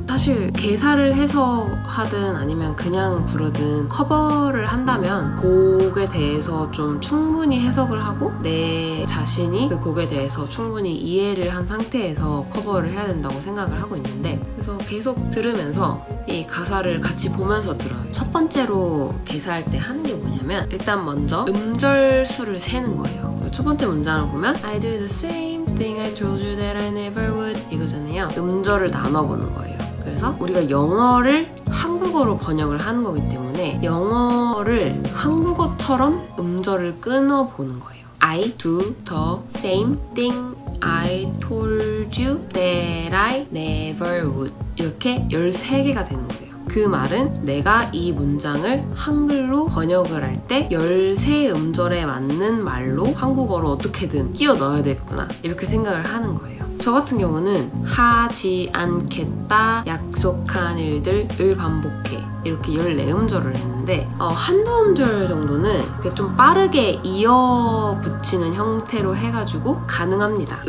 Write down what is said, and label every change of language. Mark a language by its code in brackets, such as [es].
[ko] 사실 개사를 해서 하든 아니면 그냥 부르든 커버를 한다면 곡에 대해서 좀 충분히 해석을 하고 내 자신이 그 곡에 대해서 충분히 이해를 한 상태에서 커버를 해야 된다고 생각을 하고 있는데, 그래서 계속 들으면서 이 가사를 같이 보면서 들어요. 첫 번째로 개사할 때 하는 게 뭐냐면 일단 먼저 음절 수를 세는 거예요. 첫 번째 문장을 보면 [en] I do the same thing I told you that I never would [ko] 이거잖아요. 음절을 나눠보는 거예요. 그래서 우리가 영어를 한국어로 번역을 하는 거기 때문에 영어를 한국어처럼 음절을 끊어보는 거예요. [en] I do the same thing I told you that I never would [ko] 이렇게 13개가 되는 거예요. 그 말은 내가 이 문장을 한글로 번역을 할 때 13음절에 맞는 말로 한국어로 어떻게든 끼워 넣어야 됐구나 이렇게 생각을 하는 거예요. 저 같은 경우는 하지 않겠다, 약속한 일들을 반복해 이렇게 14음절을 했는데 한두 음절 정도는 좀 빠르게 이어 붙이는 형태로 해가지고 가능합니다.